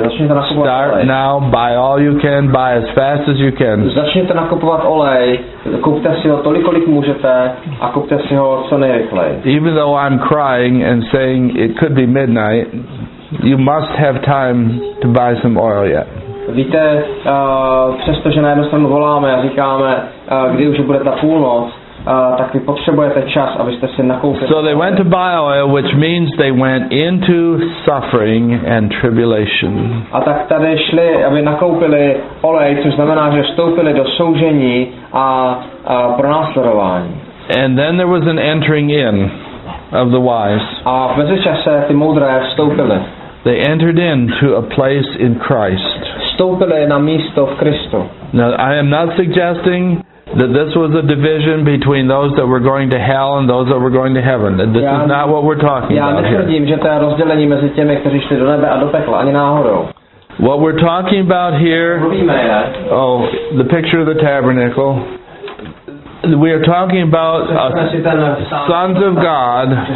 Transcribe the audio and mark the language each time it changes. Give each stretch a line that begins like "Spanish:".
Czech: Začněte nakupovat oleje.
English: Start now. Buy all you can. Buy as fast as you can.
Czech: Začněte nakupovat olej. Kupte si ho tolik, kolik můžete, a kupte si ho co nejrychleji.
English: Even though I'm crying and saying it could be midnight, you must have time to buy some oil yet.
Czech: Víte, přestože na jednu stranu voláme a říkáme, kdy už bude ta půlnoc, tak vy potřebujete čas, abyste si nakoupili.
English: So they went to buy oil, which means they went into suffering and tribulation.
Czech: A tak tady šli, aby nakoupili olej, což znamená, že vstoupili do soužení a pronásledování.
English: And then there was an entering in of the wise.
Czech: A v mezičase ty moudré vstoupili.
English: They entered into a place in Christ.
Czech: Vstoupili na místo v Kristu.
English: Now, I am not suggesting that this was a division between those that were going to hell and those that were going to heaven. This is not what we're talking about here.
Czech: Já netvrdím, že to je rozdělení mezi těmi, kteří šli do nebe a do pekla, ani náhodou.
English: What we're talking about here, the picture of the tabernacle, we are talking about sons of God.